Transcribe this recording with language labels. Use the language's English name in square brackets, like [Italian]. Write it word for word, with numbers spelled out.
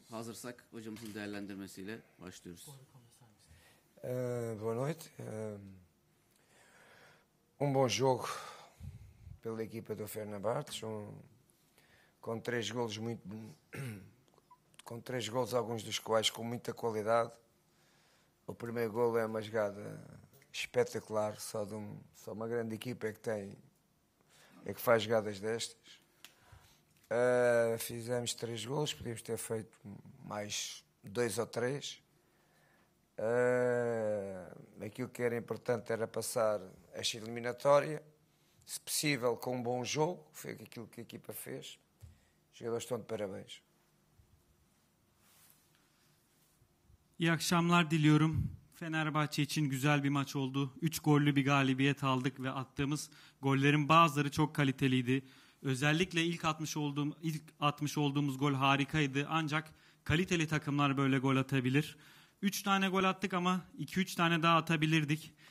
[Turkish] Hazırsak hocamızın değerlendirmesiyle başlıyoruz. [Portuguese] Uh, boa noite. Uh, um bom jogo pela equipa do Fenerbahçe, um, com três golos muito com três golos, alguns dos quais com muita qualidade. O primeiro golo é uma jogada espetacular, só, de um, só uma grande equipa é que tem é que faz jogadas destas. Uh, fizemos três golos, podíamos ter feito mais dois ou três. Uh, aquilo que era importante era passar esta eliminatória, se possível com um bom jogo, foi aquilo que a equipa fez. Os jogadores estão de parabéns. [Turkish] İyi akşamlar diliyorum. Fenerbahçe için güzel bir maç oldu. üç gollü bir galibiyet aldık ve attığımız gollerin bazıları çok kaliteliydi. Özellikle ilk atmış olduğum ilk atmış olduğumuz gol harikaydı. Ancak kaliteli takımlar böyle gol atabilir. üç tane gol attık ama iki üç tane daha atabilirdik.